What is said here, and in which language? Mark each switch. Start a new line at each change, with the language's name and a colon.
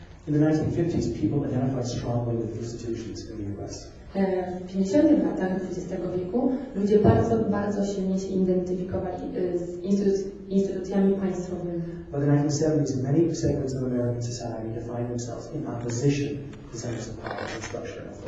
English: In the 1950s, people identified strongly with institutions in the U.S.
Polish: W 50. latach XX wieku ludzie bardzo, bardzo silnie się identyfikowali z instytucjami państwowymi.
English: By the 1970s, many segments of American society defined themselves in opposition to centers of power and structure.